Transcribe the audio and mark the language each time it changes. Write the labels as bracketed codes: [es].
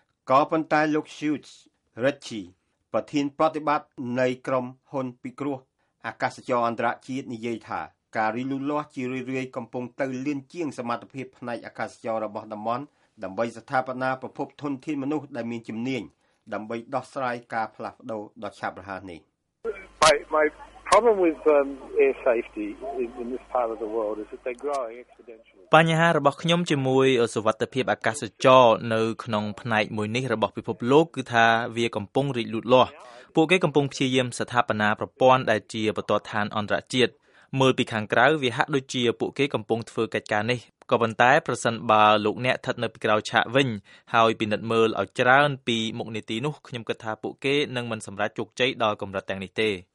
[km] ក៏ប៉ុន្តែលោក Hughes Ritchie ប្រធានប្រតិបត្តិនៃក្រុមហ៊ុនពិគ្រោះអាកាសចរអន្តរជាតិនិយាយថាការរីកលូតលាស់ជារឿយៗកំពុងទៅលឿនជាងសមត្ថភាពផ្នែកអាកាសចររបស់តំបន់ដើម្បីស្ថាបនាប្រភពធនធានមនុស្សដែលមានជំនាញដើម្បីដោះស្រាយការផ្លាស់ប្ដូរដ៏ឆាប់រហ័សនេះ [en] My problem with air safety in this part of the world is that they're growing exponentially [km] បញ្ហារបស់ខ្ញុំជាមួយសុវត្ថិភាពអាកាសចរនៅក្នុងផ្នែកមួយនេះរបស់ពិភពលោកគឺថាវាកំពុងរីកលូតលាស់ពួកគេកំពុងព្យាយាមស្ថាបនាប្រព័ន្ធដែលជាបទដ្ឋានអន្តរជាតិមើលពីខាងក្រៅវាហាក់ដូចជាពួកគេកំពុងធ្វើកិច្ចការនេះក៏ប៉ុន្តែប្រសិនបើលោកអ្នកស្ថិតនៅពីក្រោយឆាកវិញហើយពិនិត្យមើលឲ្យច្រើនពីមុខនីតិនោះខ្ញុំគិតថាពួកគេនឹងមិនសម្រេចជោគជ័យដល់កម្រិតទាំងនេះទេ